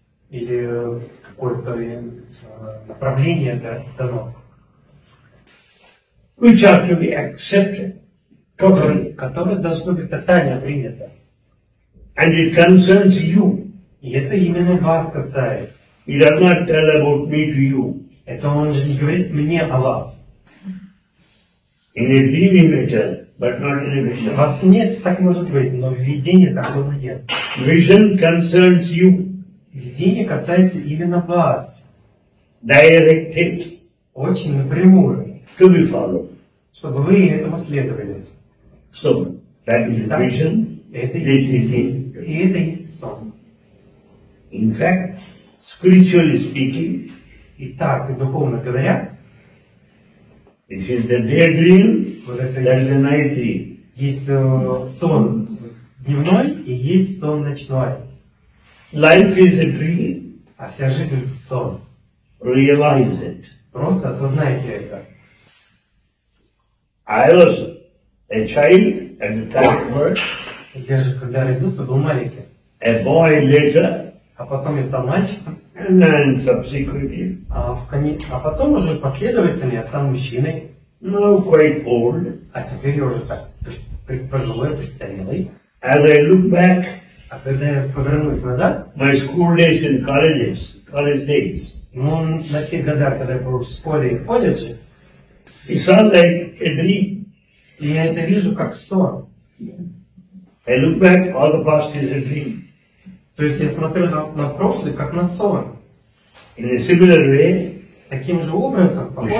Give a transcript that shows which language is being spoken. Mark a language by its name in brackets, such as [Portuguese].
[Russian] Или какое-то направление дано. [English] Which are to be accepted. Totally. [Russian] Которое должно быть тотально принято. [English] And it concerns you. [Russian] И это именно вас касается. [English] He does not tell about me to you. [Russian] Это он же не говорит мне о вас. [English] In a dream he may tell, but not in a vision. [Russian] Вас нет, так может быть, но в видении такого нет. [English] Vision concerns you. [Russian] Видение касается именно вас. [English] Directed. [Russian] Очень напрямую. [English] To be followed. [Russian] Чтобы вы этому следовали. [English] So, that is [Russian] так, [English] vision. [Russian] Это [English] this is it. [Russian] И это есть сон. [English] In fact, spiritually speaking, [Russian] итак, духовно говоря, [English] this is the daydream, [Russian] вот это, [English] that is the night dream. [Russian] Есть сон дневной и есть сон ночной. [English] Life is a dream. [Russian] А вся жизнь – сон. [English] Realize it. [Russian] Просто осознайте это. [English] I was a child at the time of birth. [Russian] Я же когда родился, был маленьким. [English] A boy later. [Russian] А потом я стал мальчиком. [English] And subsequently. [Russian] А потом уже последовательно я стал мужчиной. [English] No, quite old. [Russian] А теперь я уже так пожилой, престарелый. [English] As I look back. [Russian] А когда я повернусь назад. [English] My school days and college days. [Russian] Ну, на те годы, когда я был в школе и в колледже. [English] It sounds like a dream. [Russian] И я это вижу как сон. [English] I look back, all the past is a dream. [Russian] То есть я смотрю на прошлое, как на сон. [English] In a similar way, [Russian] таким же образом, похожим,